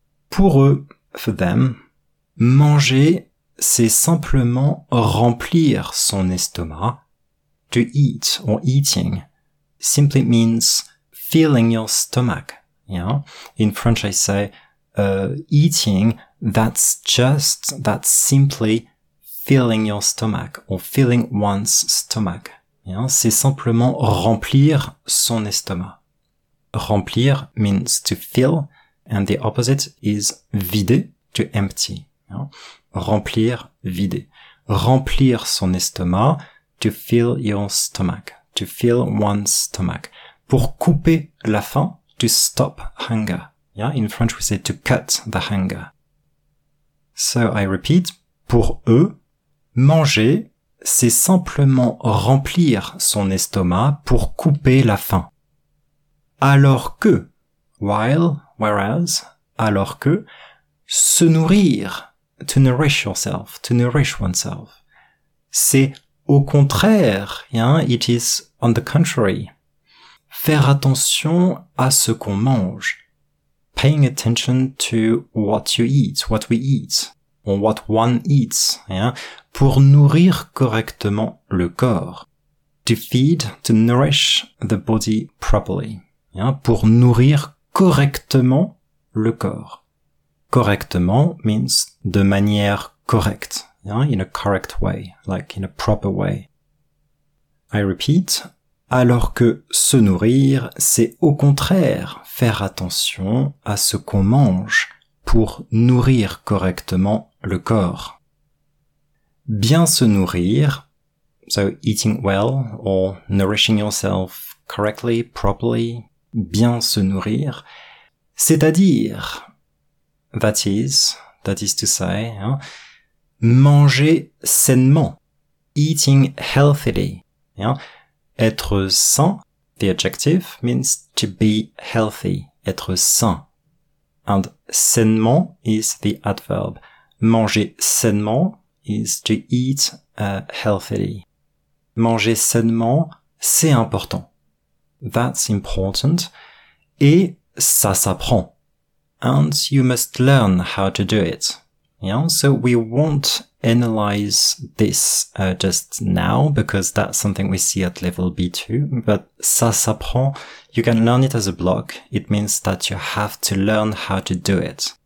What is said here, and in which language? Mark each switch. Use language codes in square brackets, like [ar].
[fr] Pour eux, [en] for them, [fr] manger, c'est simplement remplir son estomac. [en] To eat or eating simply means filling your stomach. Yeah? In French, I say eating, that's simply filling your stomach or filling one's stomach. [fr] Yeah, c'est simplement remplir son estomac. [en] Remplir means to fill, and the opposite is vider, to empty. Yeah? Remplir, vider. [fr] Remplir son estomac, [en] to fill your stomach, to fill one's stomach. [fr] Pour couper la faim, [en] to stop hunger. Yeah? In French, we say to cut the hunger. So I repeat, [fr] pour eux, manger, c'est simplement remplir son estomac pour couper la faim. Alors que, [en] while, whereas, [fr] alors que, se nourrir, [en] to nourish yourself, to nourish oneself. [fr] C'est au contraire, [en] yeah, it is on the contrary. [fr] Faire attention à ce qu'on mange. [en] paying attention to what you eat, what we eat, or what one eats, yeah, [fr] pour nourrir correctement le corps. [en] To feed, to nourish the body properly, yeah, [fr] pour nourrir correctement le corps. [en] Correctement means [fr] de manière correcte, [en] yeah, in a correct way, like in a proper way. I repeat, [fr] alors que se nourrir, c'est au contraire faire attention à ce qu'on mange pour nourrir correctement le corps. Bien se nourrir, [en] so eating well or nourishing yourself correctly, properly, [fr] bien se nourrir, c'est-à-dire, [en] that is to say, hein, [fr] manger sainement, [en] eating healthily, hein, être sain, the adjective means to be healthy, être sain, and sainement is the adverb, manger sainement is to eat healthily. [fr] Manger sainement, c'est important. [en] That's important. [fr] Et ça s'apprend. [en] And you must learn how to do it. Yeah? So we won't analyze this just now, because that's something we see at level B2. But ça s'apprend. You can learn it as a block. It means that you have to learn how to do it.